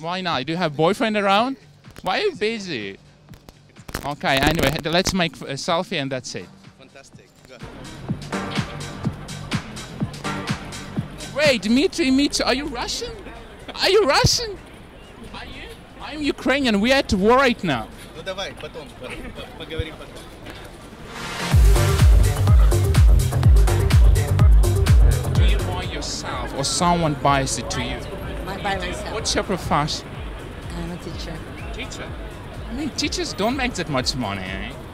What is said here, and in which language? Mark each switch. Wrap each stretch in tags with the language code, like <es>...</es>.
<en>Why not? Do you have boyfriend around? Why are you busy? Okay, anyway, let's make a selfie and that's it. Fantastic. Wait, Dmitry, are you Russian? Are you Russian? Are you? I'm Ukrainian, we are at war right now.</en> <ru>Ну давай, потом, поговорим потом.</ru> <en>Do you buy yourself or someone buys it to you? I buy myself. What's your profession? I'm a teacher. I mean, teachers don't make that much money, eh?</en>